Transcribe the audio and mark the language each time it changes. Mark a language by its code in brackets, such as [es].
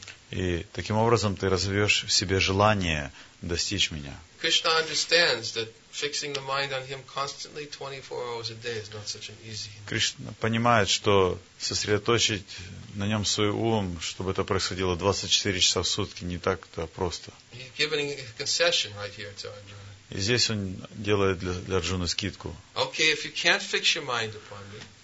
[ru] И таким образом ты развиешь в себе желание достичь меня. [en] Кришна understands that fixing the mind on him constantly 24 hours a day is not such an easy thing. [ru] Кришна понимает, что сосредоточить на нем свой ум, чтобы это происходило 24 часа в сутки, не так-то просто. [en] He's giving a concession right here to Arjuna. [ru] И здесь он делает для Арджуны скидку. [en] Okay, if you can't fix your mind upon me.